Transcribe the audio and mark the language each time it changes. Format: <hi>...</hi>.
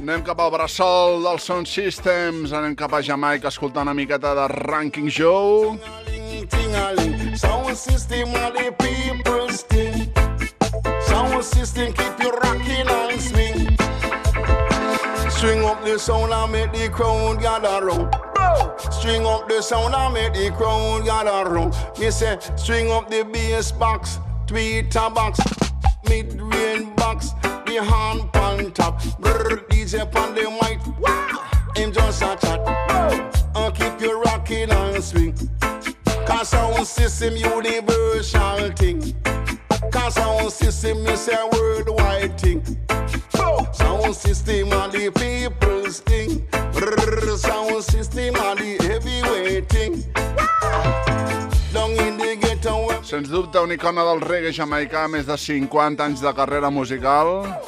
<ca>Anem cap al bressol dels Sound Systems. Anem cap a Jamaica escoltant una miqueta de Ranking Joe.</ca> <en>Ting-a-ling, ting-a-ling. Sound system are the people's thing. Sound system keep you rocking and swing. String up the sound and make the crowd gather round. String up the sound and make the crowd gather round. Me say, string up the bass box, tweeter box. Mid-range box, the hand pan top. Brrr, DJ pan the mic. Wow, him just a chat. And keep you rocking and swing. Cause sound system universal thing. Cause sound system is a worldwide thing. Sound system are the people's thing. Brrr, sound system are the heavyweight thing. Down in the ghetto</en> <ca>Sens dubte, una icona del reggae jamaicà, més de 50 anys de carrera musical.</ca>